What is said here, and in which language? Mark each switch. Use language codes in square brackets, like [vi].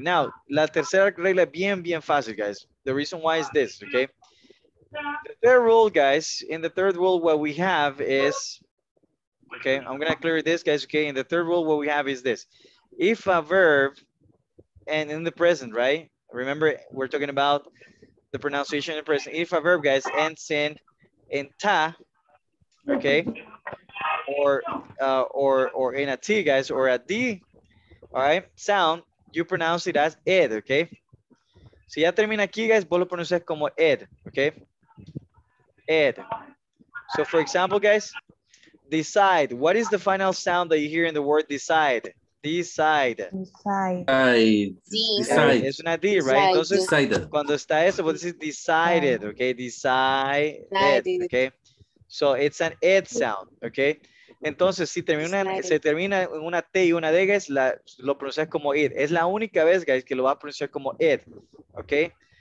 [es] Now, la tercera regla, bien, bien fácil, guys. [en] The reason why is this, okay? The third rule, guys, in the third rule, what we have is, okay, I'm going to clear this, guys, okay? In the third rule, what we have is this. If a verb, and in the present, right? Remember, we're talking about the pronunciation in the present. If a verb, guys, ends in ta, okay? Or in a T, guys, or a D, all right, sound, you pronounce it as ed, okay? [es] Si ya termina aquí, guys, vos lo pronuncias como ed, okay? Ed. [en] So, for example, guys, decide. What is the final sound that you hear in the word decide? Decide. Decide. [es] Es una D, right? Entonces, cuando está eso, vos decís decided, okay? Decided, okay? [en] So, it's an ed sound, okay? [es] Entonces, si termina, se termina en una T y una D, guys, lo pronuncias como ed. Es la única vez, guys, que lo va a pronunciar como ed, ¿ok?